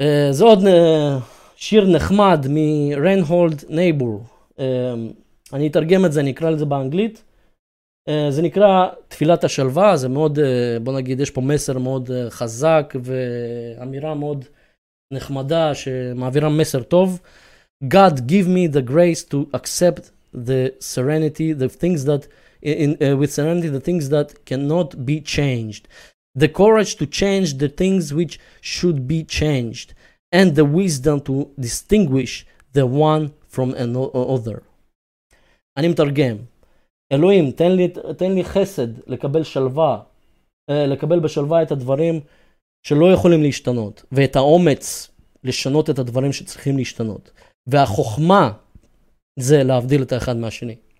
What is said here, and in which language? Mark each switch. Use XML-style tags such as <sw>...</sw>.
<he>זה עוד שיר נחמד מ-Reinhold Niebuhr. אני אתרגם את זה, אני אקרא לזה באנגלית. זה נקרא תפילת השלווה, זה מאוד, בוא נגיד, יש פה מסר מאוד חזק ואמירה מאוד נחמדה שמעבירה מסר טוב.</he> <en>God give me the grace to accept the serenity, the things that, with serenity, the things that cannot be changed. The courage to change the things which should be changed. And the wisdom to distinguish the one from another.</en> <he>אני מתרגם. אלוהים, תן לי חסד לקבל שלווה, לקבל בשלווה את הדברים שלא יכולים להשתנות, ואת האומץ לשנות את הדברים שצריכים להשתנות. והחוכמה זה להבדיל את האחד מהשני.</he>